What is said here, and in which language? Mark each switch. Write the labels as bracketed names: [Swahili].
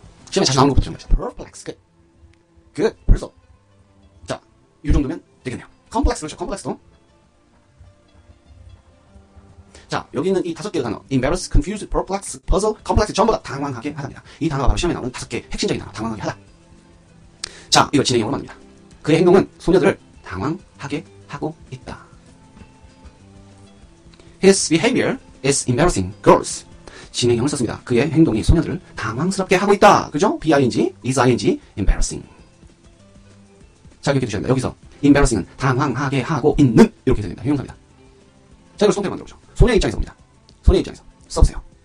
[Korean] 시험에 자주 나오는 것부터 좀 perplex. Good. 벌써. 자, 이 정도면 되겠네요. complex 그렇죠. complex도. 자, 여기 있는 이 다섯 개의 단어. embarrass, confuse, perplex, puzzle, complex 전부 다 당황하게 하답니다. 이 단어가 바로 시험에 나오는 다섯 개의 핵심적인 단어. 당황하게 하다. 자, 이걸 진행형으로 만듭니다. 그의 행동은 소녀들을 당황하게 하고 있다. [English] His behavior is embarrassing girls. [Korean] 진행형을 썼습니다. 그의 행동이 소녀들을 당황스럽게 하고 있다. 그죠? B-I-N-G, is I-N-G, embarrassing. 자, 이렇게 두셔야 됩니다. 여기서 embarrassing은 당황하게 하고 있는 이렇게 되어야 됩니다. 형용사입니다. 자, 이걸 손태로 만들어 보죠. 소녀 입장에서 봅니다. 소녀 입장에서 써보세요.